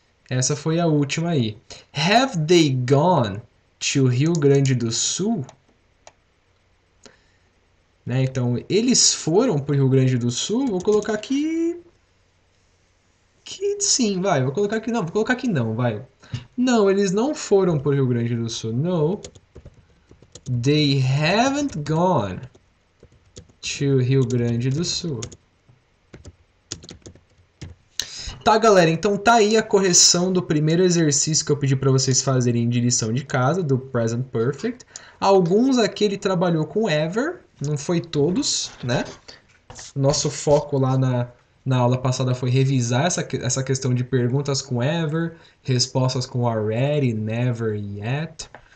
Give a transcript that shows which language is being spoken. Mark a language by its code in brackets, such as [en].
[pt] Essa foi a última aí. [en] Have they gone to Rio Grande do Sul? [pt] Né? Então, eles foram para o Rio Grande do Sul? Vou colocar aqui. Que sim, vai. Vou colocar aqui não. Vou colocar aqui não, vai. Não, eles não foram para o Rio Grande do Sul. [en] No. They haven't gone to Rio Grande do Sul. [pt] Tá, galera. Então tá aí a correção do primeiro exercício que eu pedi para vocês fazerem de lição de casa, do Present Perfect. Alguns aqui ele trabalhou com ever, não foi todos, né? Nosso foco lá na aula passada foi revisar essa questão de perguntas com ever, respostas com already, never, yet.